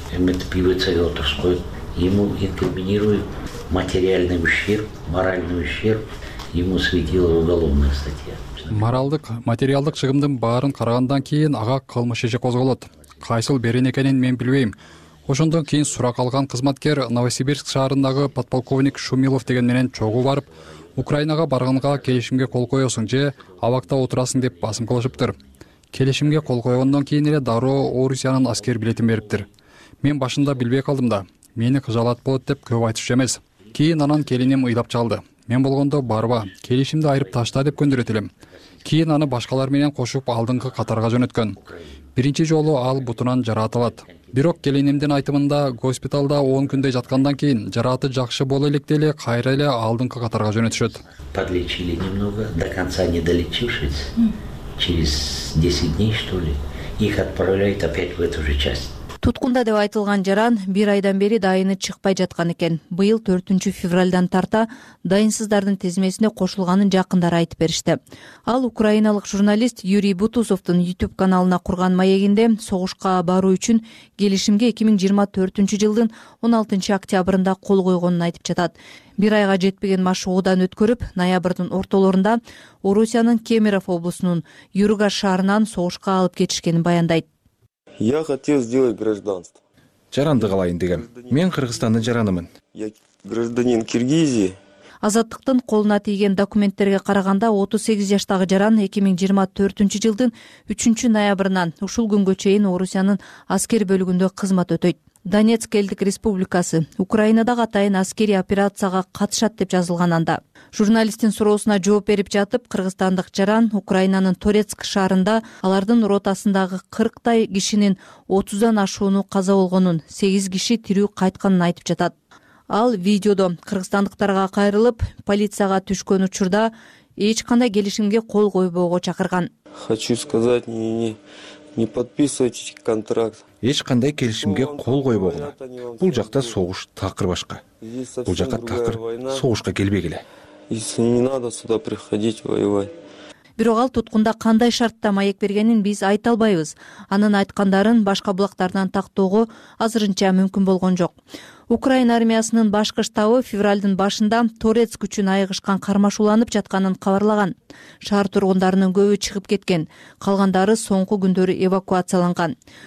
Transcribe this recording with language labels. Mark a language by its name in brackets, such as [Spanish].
[Kyrgyz] Эмметип ИВЦ-ге отурушуп коюп, [Russian] эму инкриминируют материальный ущерб, моральный ущерб, эму светила уголовная статья. [Kyrgyz] Моралдык, материалдык чыгымдын баарын карагандан кийин ага кылмыш иши козголот. Кайсыл берен экенин мен билбейм. Ошондон кийин сурак алган кызматкер Новосибирск шаарындагы подполковник Шумилов деген менен чогуу барып, Украинага барганга келишимге кол коесуң же абакта отурасың деп басым кылышыптыр. Келишимге кол койгондон кийин эле дароо Орусиянын аскер билетин бериптир. Мен башында билбей калдым да, мени кыжалат болот деп көп айтышчу эмес. Кийин анан келиним ыйлап чалды. Мен болгондо барба, келишимди айырып ташта деп көндүрөт элем. Кийин аны башкалар менен кошуп алдыңкы катарга жөнөткөн. Биринчи жолу ал бутунан жараат алат. Бирок келинимдин айтымында госпиталда 10 күндөй жаткандан кийин жараты жакшы боло электе эле кайра эле алдыңкы катарга жөнөтүшөт. [Russian] Подлечили немного, до конца не долечившись, через 10 дней что ли, их отправляют опять в эту же часть. [Kyrgyz] Туткунда деп айтылган жаран бир айдан бери дайыны чыкпай жаткан экен. Быйыл 4 февралдан тарта дайынсыздардын тизмесине кошулганын жакындары айтып беришти. Ал украиналык журналист Юрий Бутусовдун YouTube каналына курган маегинде согушка баруу үчүн келишимге 2024 жылдын 16 октябрында кол койгонун айтып жатат. Бир айга жетпеген машыгуудан өткөрүп, ноябрдын ортолорунда Орусиянын Кемеров облусунун Юрга шаарынан согушка алып кетишкенин баяндайт. [Russian] Я хотел сделать гражданство. [Kyrgyz] Жаранды калайын дегем. Мен Кыргызстандын жаранымын. [Russian] Я гражданин Киргизии. [Kyrgyz] Азаттыктын колуна тийген документтерге караганда 38 жаштагы жаран 2024 жылдын 3 ноябрынан ушул күнгө чейин Орусиянын аскер бөлүгүндө кызмат өтөйт. Донецк элдик республикасы Украинадагы атайын аскерий операцияга катышат деп жазылган анда. Журналисттин суроосуна жооп берип жатып, кыргызстандык жаран Украинанын Торецк шаарында алардын ротасындагы 40 кишинин 30 ашууну каза болгонун, 8 киши тирүү кайтканын айтып жатат. Ал видеодо кыргызстандыктарга кайрылып, полицияга түшкөн учурда эч кандай келишимге кол койбоого чакырган. [Russian] Хочу сказать, не подписывайте контракт. [Kyrgyz] Эч кандай келишимге кол койбогула. Бул жакта согуш такыр башка. Бул жакта такыр согушка келбегиле. [Russian] Если не надо сюда приходить воевать. [Kyrgyz] Бирок ал туткунда кандай шартта маек бергенин биз айта албайбыз. Анын айткандарын башка булактардан тактоого азырынча мүмкүн болгон жок. Украина армиясынын башкы штабы февралдын башында Торецк үчүн айыгышкан кармашууланып жатканын кабарлаган. Шаар тургундарынын көбү чыгып кеткен, калгандары соңку күндөрү эвакуацияланган.